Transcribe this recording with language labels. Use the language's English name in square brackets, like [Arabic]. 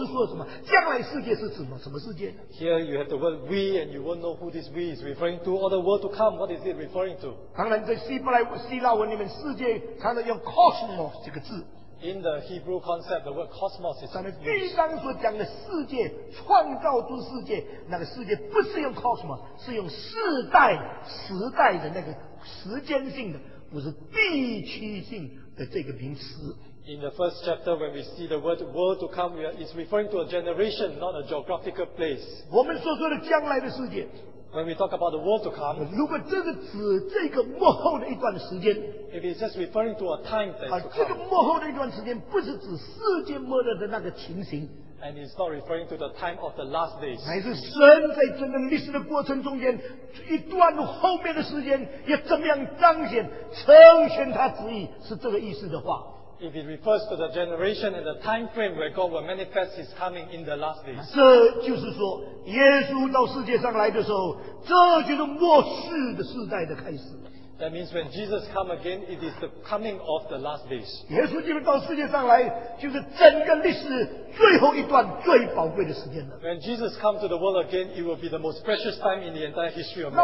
[Chinese] 所以你看第二章第五节，你会很奇怪，我们所说将来世界，这我们是谁？所说是说什么？将来世界是指什么世界？ [English] Here you have the word we, and you won't know who this we is referring to. Or the world to come, what is it referring to? [Chinese] 当然，在希伯来希腊文里面，世界常常用 cosmos 这个字 [English] ，in the Hebrew concept, the word cosmos is [Chinese] 上面第一章所讲的世界，创造出世界，那个世界不是用 cosmos， 是用世代、时代的那个时间性的，不是地区性的这个名词。 [English] In the first chapter, when we see the word world to come, we are, it's referring to a generation, not a geographical place. [Chinese] 我们所说的将来的世界。 [English] When we talk about the world to come, [Chinese] 如果这个指这个末后的一段时间, [English] if it's just referring to a time that's to come, [Chinese] 这个末后的一段时间不是指世界末日的那个情形, [English] and it's not referring to the time of the last days, [Chinese] 乃是神在整个历史的过程中间一段后面的时间也怎么样彰显成全他旨意是这个意思的话, [English] If it refers to the generation and the time frame where God will manifest His coming in the last days. [Chinese] 这就是说，耶稣到世界上来的时候，这就是末世的世代的开始。 [English] That means when Jesus comes again, it is the coming of the last days. [Chinese] 耶稣进入到世界上来，就是整个历史最后一段最宝贵的时间了。 [English] When Jesus comes to the world again, it will be the most precious time in the entire history of man.